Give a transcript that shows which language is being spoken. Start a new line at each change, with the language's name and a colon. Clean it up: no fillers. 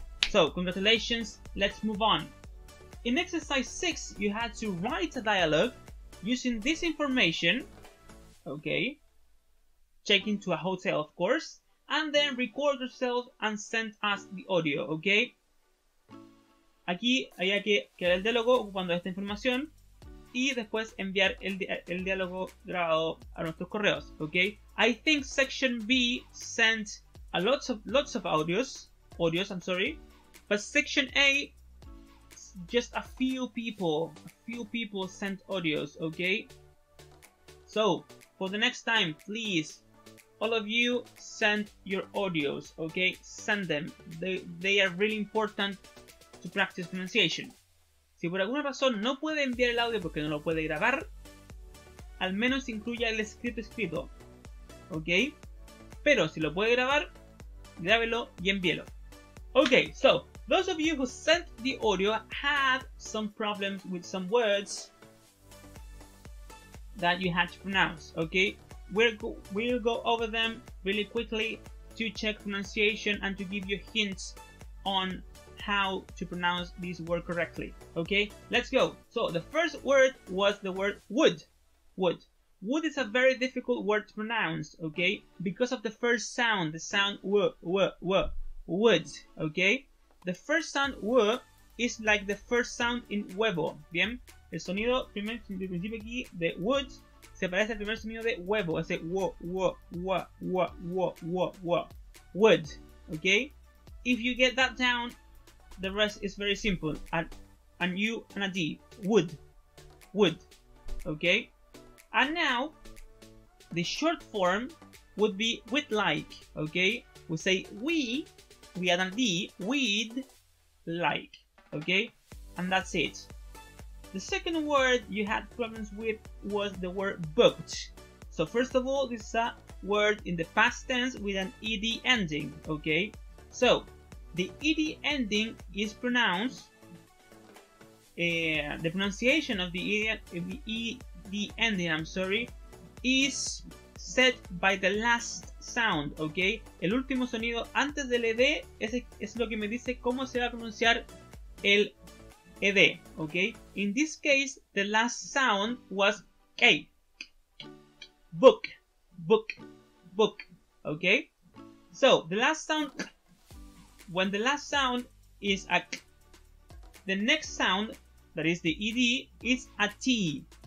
English: So, congratulations, let's move on. In exercise 6, you had to write a dialogue using this information, okay? Check into a hotel, of course, and then record yourself and send us the audio, okay?
Spanish: Aquí hay que crear el diálogo ocupando esta información. Y después enviar el diálogo grabado a nuestros correos, ¿ok?
English: I think section B sent lots of audios, I'm sorry. But section A, just a few people sent audios, okay? So, for the next time, please, all of you, send your audios, okay? Send them. They are really important to practice pronunciation.
Spanish: Si por alguna razón no puede enviar el audio porque no lo puede grabar, al menos incluya el script escrito, okay? Pero si lo puede grabar, grábelo y envíelo.
English: Okay, so, those of you who sent the audio had some problems with some words that you had to pronounce, okay? We'll go over them really quickly to check pronunciation and to give you hints on how to pronounce this word correctly, okay? Let's go. So, the first word was the word would. Wood. Wood is a very difficult word to pronounce, okay? Because of the first sound, the sound w, wood, okay? The first sound w is like the first sound in huevo, bien?
Spanish: El sonido primer sonido principio aquí de wood se parece al primer sonido de huevo, ese w, wood, okay?
English: If you get that down, the rest is very simple, and U and a D, wood, okay? And now, the short form would be with like, okay? We say we add a D, with like, okay? And that's it. The second word you had problems with was the word booked. So first of all, this is a word in the past tense with an ED ending, okay? So, the ED ending is pronounced, the pronunciation of the ED ending is set by the last sound, okay?
Spanish: El último sonido antes del ED es lo que me dice cómo se va a pronunciar el ED, okay?
English: In this case, the last sound was K. Book, okay? So, the last sound, when the last sound is a K, the next sound, that is the ED, is a T.